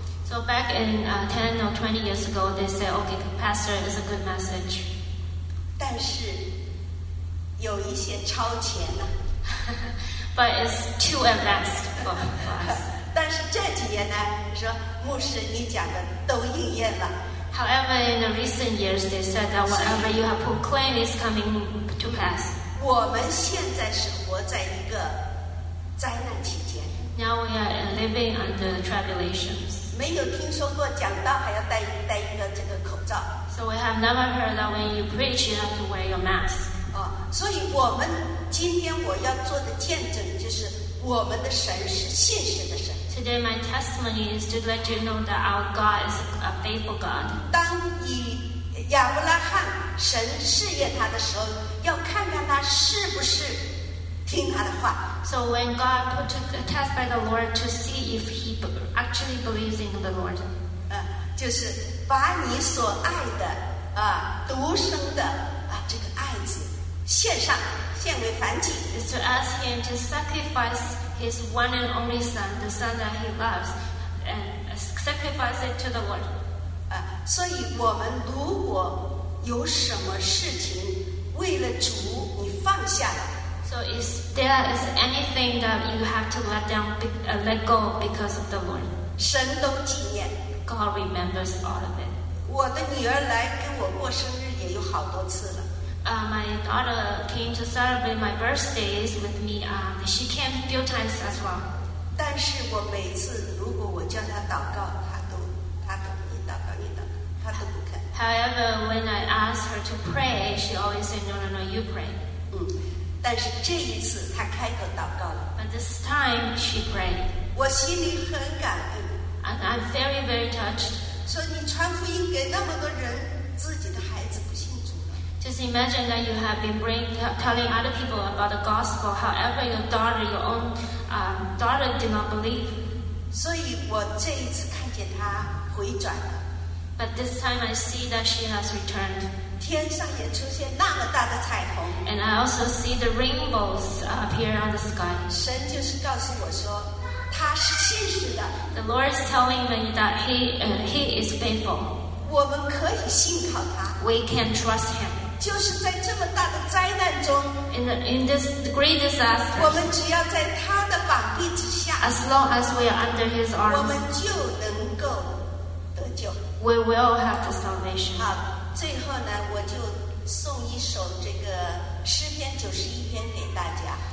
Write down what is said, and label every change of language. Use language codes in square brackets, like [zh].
[en] So back in 10 or 20 years ago, they said, okay, pastor, it's a good message. [zh] 但是有一些超前了。 [en] But it's too advanced for us. [zh] 但是这几年呢，说牧师你讲的都应验了。 [en] However, in the recent years, they said that whatever you have proclaimed is coming to pass. [zh] 我们现在是活在一个灾难期间。 [en] Now we are living under tribulations. [zh] 没有听说过讲道还要戴一个这个口罩。 [en] So we have never heard that when you preach, you have to wear your mask. [zh] 所以我们今天我要做的见证就是我们的神是信实的神。 [en] Today, my testimony is to let you know that our God is a faithful God. [zh] 当以亚伯拉罕神试验他的时候，要看看他是不是听他的话。 [en] So when God put to the test by the Lord to see if he actually believes in the Lord. [zh] 就是把你所爱的独生的这个爱子献上，献为燔祭。 [en] Is to ask him to sacrifice. His one and only son, the son that he loves, and sacrifice it to the Lord. [zh] 所以我们如果有什么事情为了主你放下了。 [en] So is there is anything that you have to let down, let go because of the Lord? [zh] 神都纪念。 [en] God remembers all of it. [zh] 我的女儿来跟我过生日也有好多次了。 [en] My daughter came to celebrate my birthdays with me. She came a few times as well. [zh] 但是我每次如果我叫她祷告，她都你祷告你祷告，她都不肯。 [en] However, when I asked her to pray, she always said, "No, no, no, you pray." [zh] 但是这一次她开口祷告了。 [en] But this time she prayed. [zh] 我心里很感动。 [en] And I'm very, very touched. [zh] 说你传福音给那么多人，自己的孩子不信。 [en] Just imagine that you have been telling other people about the gospel. However, your daughter, your own daughter, did not believe. [zh] 所以我这一次看见她回转了。 [en] But this time, I see that she has returned. [zh] 天上也出现那么大的彩虹。 [en] And I also see the rainbows appear on the sky. [zh] 神就是告诉我说，他是信实的。 [en] The Lord is telling me that he is faithful. [zh] 我们可以信靠他。 [en] We can trust him. [zh] 就是在这么大的灾难中 [en] in this great disaster, [zh] 我们只要在他的膀臂之下 [en] as long as we are under his arms, [zh] 我们就能够得救 [en] we will have the salvation. [zh] 好，最后呢，我就送一首这个诗篇九十一篇给大家